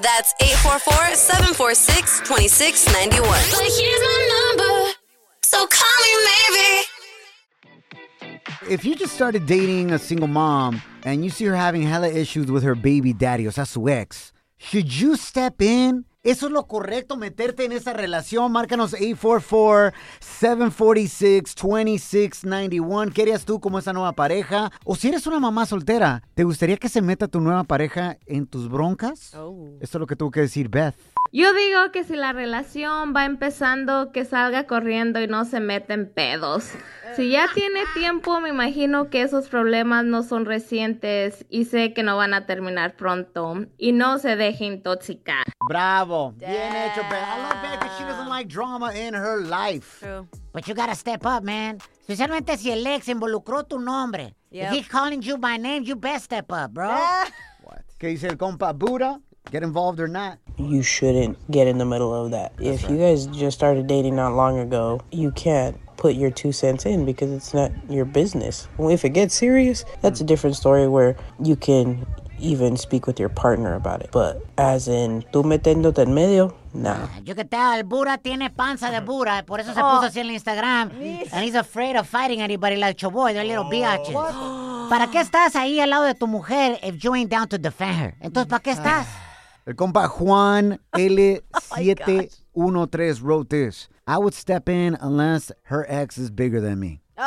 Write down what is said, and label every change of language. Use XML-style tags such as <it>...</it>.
<en>That's 844-746-2691. But here's my number, so call me maybe. If you just started dating a single mom and you see her having hella issues with her baby daddy,</en> <es>o sea, su ex,</es> <en>should you step in?</en> <es>Eso es lo correcto, meterte en esa relación. Márcanos 844-746-2691. ¿Qué harías tú como esa nueva pareja? O si eres una mamá soltera, ¿te gustaría que se meta tu nueva pareja en tus broncas? Oh. Esto es lo que tuvo que decir Beth. Yo digo que si la relación va empezando, que salga corriendo y no se meta en pedos. Si ya tiene tiempo, me imagino que esos problemas no son recientes y sé que no van a terminar pronto. Y no se deje intoxicar.</es> <en>Bravo. Damn.</en> <es>Bien hecho,</es> <en>Beth. I love Beth because she doesn't like drama in her life. True. But you gotta step up, man.</en> <es>Especialmente si el ex involucró tu nombre.</es> <en>Yep. If he's calling you by name, you best step up, bro. What?</en> <es>¿Qué dice el compa Buda?</es> <en>Get involved or not? You shouldn't get in the middle of that. That's if right. You guys just started dating not long ago, you can't put your two cents in because it's not your business. If it gets serious, that's a different story where you can even speak with your partner about it. But as in,</en> <es>tú metiéndote en medio,</es> <en>nah.</en> <es>Yo que tal, el Bura tiene panza de Bura. Por eso se puso así en el Instagram.</es> <en>And he's afraid of fighting anybody like your boy. They're little biatches.</en> <es>¿Para qué estás ahí al lado de tu mujer</es> <en>if you ain't down to defend her?</en> <es>Entonces, ¿para qué estás?</es> <en>El compa Juan L713 wrote this. I would step in unless her ex is bigger than me.</en>